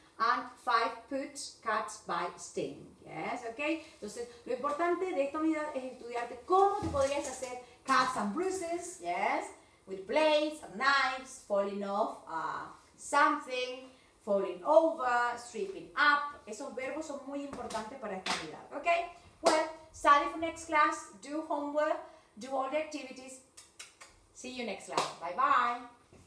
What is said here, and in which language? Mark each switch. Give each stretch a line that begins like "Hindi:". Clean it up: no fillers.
English: And five, put, cut by sting. Yes, okay?
Spanish: Entonces, lo importante de esta unidad es estudiarte cómo te podrías hacer
English: cuts and bruises.
Spanish: Yes.
English: With blades, knives, falling off something, falling over, sweeping up.
Spanish: Esos verbos son muy importantes para esta unidad, okay?
English: Well, study for next class, do homework, do all the activities. See you next class. Bye-bye.